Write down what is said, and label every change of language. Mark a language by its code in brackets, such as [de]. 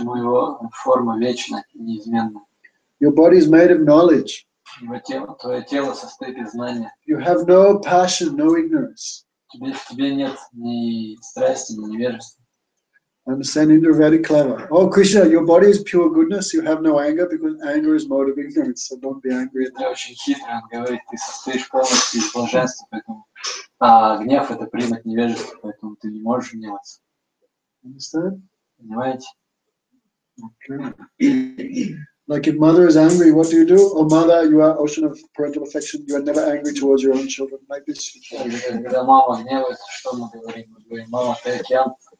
[ru] У него форма вечна, неизменна. [en] Your body is made of knowledge. [ru] Твое тело состоит из знания. [en] You have no passion, no ignorance. [ru] Тебе нет ни страсти, ни невежества. [en] Understanding you're very clever. Oh, Krishna, your body is pure goodness. You have no anger because anger is mode of ignorance. So don't be angry. [ru] Ты очень хитрый, он говорит, ты состоишь полностью из блаженства, поэтому гнев это признак невежества, поэтому ты не можешь гневаться. [en] Understand? [ru] Понимаете? [en] Okay. Like if mother is angry, what do you do? Oh, mother, you are ocean of parental affection. You are never angry towards your own children. Like this. [ru] Когда мама гневается, что мы говорим? Мы говорим, мама, ты океан.